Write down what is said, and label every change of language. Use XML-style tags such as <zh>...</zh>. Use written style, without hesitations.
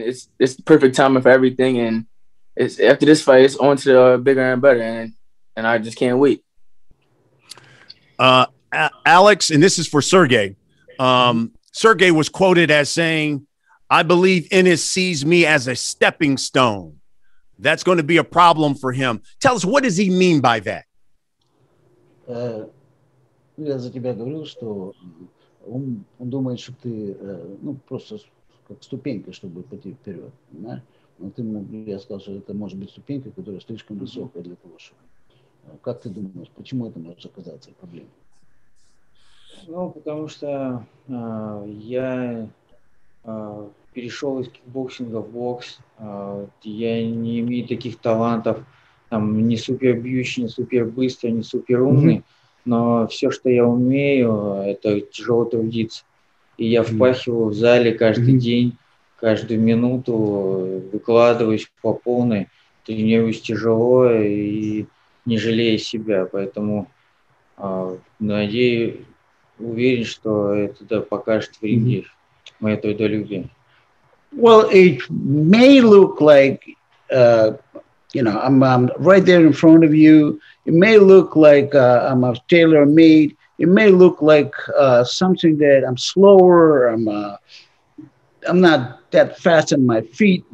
<en>It's the perfect timing for everything, and it's after this fight, it's on to the bigger and better, and I just can't wait. Alex, and this is for Sergey. Sergey was quoted as saying, "I believe Ennis sees me as a stepping stone. That's going to be a problem for him." Tell us, what does he mean by that?</en> <ru>Я за тебя говорил, что он думает, что ты ну просто как ступенька, чтобы пойти вперед. Да? Но ты, я сказал, что это может быть ступенька, которая слишком высокая для того, чтобы. Как ты думаешь, почему это может оказаться проблемой? Ну, потому что я перешел из кикбоксинга в бокс. Я не имею таких талантов. Там не супер бьющий, не супер быстрый, не супер умный, но все, что я умею, это тяжело трудиться. И я впахиваю в зале каждый день, каждую минуту, выкладываюсь по полной, тренируюсь тяжело и не жалею себя. Поэтому надеюсь, уверен, что это покажет в ринге мое трудолюбие.</ru> <en>Well, it may look like you know, I'm right there in front of you. It may look like I'm a tailor-made. It may look like something that I'm slower. I'm not that fast on my feet.</en>